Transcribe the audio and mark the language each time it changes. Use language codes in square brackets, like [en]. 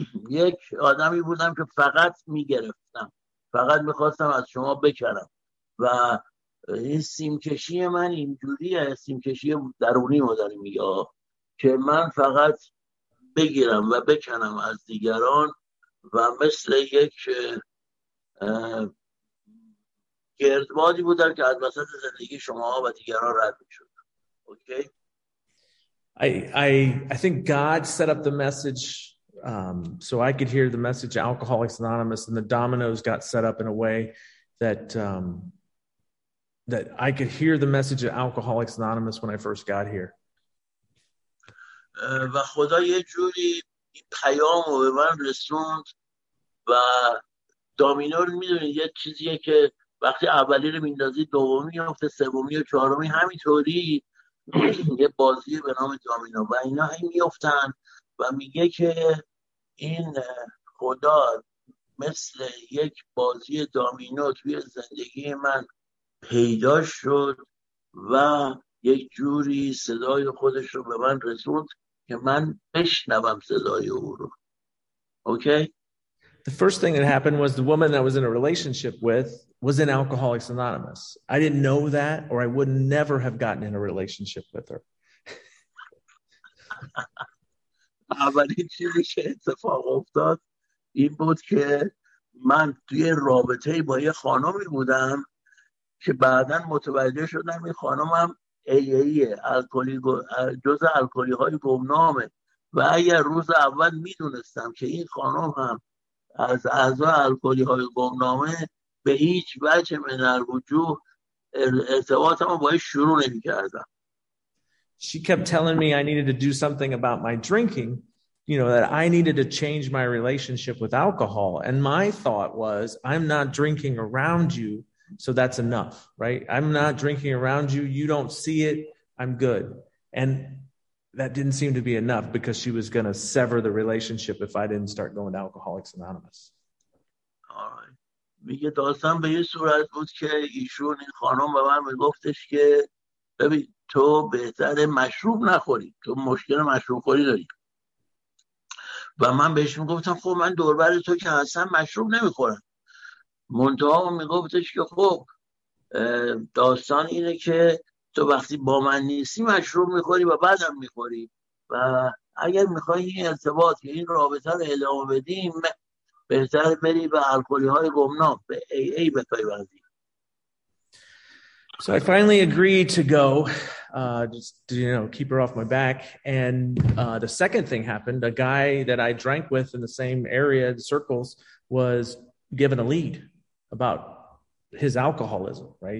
[fa] یک آدمی بودم که فقط می‌گرفتم، فقط می‌خواستم از شما بکنم و این سیمکشی من اینجوریه، سیمکشی درونی مادر میگه که من فقط بگیرم و بکنم از دیگران و مثل یک گردبادی بودن که از وسط زندگی شما و دیگران رد می‌شد. [en] Okay. I think God set up the message so I could hear the message Alcoholics Anonymous, and the dominoes got set up in a way that that I could hear the message of Alcoholics Anonymous when I first got here. [fa] و خدا یه جوری این پیام رو به من رسوند و دامینور میدونید یه چیزیه که وقتی اولی رو میندازی دومی میفته، سومی و چهارمی همینطوری، یه بازی به نام دامینو و اینا هم میفتن و میگه که این خدا مثل یک بازی دامینو توی زندگی من پیدا شد و یک جوری صدای خودش رو به من رسوند که من بشنوم صدای او رو. [en] Okay. The first thing that happened was the woman that I was in a relationship with was in Alcoholics Anonymous. I didn't know that or I would never have gotten in a relationship with her. [fa] اولین چیزی که اتفاق افتاد این بود که من توی رابطه با یه خانمی بودم که بعداً متوجه شدم این خانمم ایه الکلی، جزء الکلی های گمنامه، و اگر روز اول میدونستم که این خانم هم از اعضای الکلی های گمنامه، به هیچ وجه من الوجود ارتباطم رو باید شروع نمی کردم. [en] She kept telling me I needed to do something about my drinking, you know, that I needed to change my relationship with alcohol. And my thought was, I'm not drinking around you, so that's enough, right? I'm not drinking around you. You don't see it. I'm good. And that didn't seem to be enough because she was going to sever the relationship if I didn't start going to Alcoholics Anonymous. All right. [fa] میگه داستان به یه صورت بود که ایشون این خانم به من میگفتش که ببین تو بهتر مشروب نخوری، تو مشکل مشروب خوری داری. و من بهش میگفتم خب من دوربر تو که هستم مشروب نمیخورم. منتها میگفتش که خب داستان اینه که تو وقتی با من نیستی مشروب میخوری و بعدم میخوری، و اگر میخوای این ارتباط یا این رابطه رو ادامه بدیم بهتر بری به الکلی های گمنام، به ای ای بپیوندی. [en] So I finally agreed to go, just to, you know, keep her off my back. And the second thing happened, a guy that I drank with in the same area, the circles, was given a lead about his alcoholism, right?